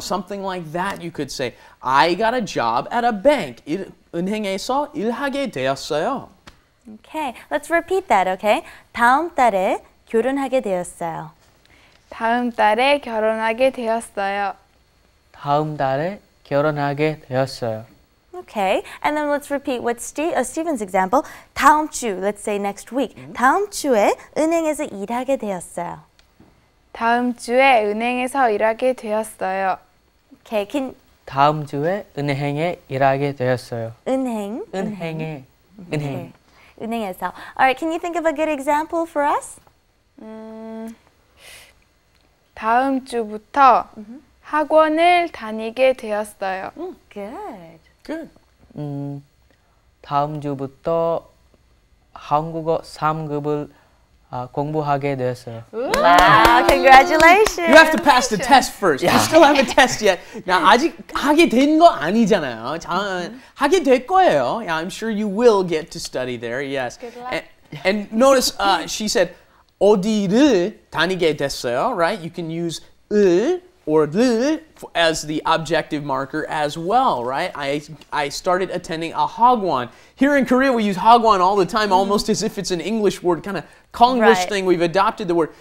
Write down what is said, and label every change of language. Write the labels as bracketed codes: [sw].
[en] Something like that you could say. I got a job at a bank. [ko] 은행에서 일하게 되었어요. [en] Okay, let's repeat that, okay? [ko] 다음 달에 결혼하게 되었어요. 다음 달에 결혼하게 되었어요. 다음 달에 결혼하게 되었어요. [en] Okay, and then let's repeat what Stephen's example. [ko] 다음 주, [en] let's say next week. [ko] 다음 주에 은행에서 일하게 되었어요. 다음 주에 은행에서 일하게 되었어요. [en] Okay, [ko] 다음 주에 은행에 일하게 되었어요. 은행. 은행에. 은행. 은행에서. [en] All right, can you think of a good example for us? [ko] 다음 주부터 학원을 다니게 되었어요. [en] Good. Good. [ko] 다음 주부터 한국어 3급을 공부하게 되었어요. [en] Wow, congratulations. You have to pass the test first. Yeah. You still haven't tested yet. [ko] 야, 아직 하게 된 거 아니잖아요. 하게 될 거예요. [en] Yeah, I'm sure you will get to study there, yes. Good luck. And notice she said, [ko] 어디를 다니게 됐어요, [en] right? You can use 을 or 를 as the objective marker as well, right? I started attending a hagwon. Here in Korea, we use hagwon all the time, almost as if it's an English word, kind of Konglish right. thing. We've adopted the word.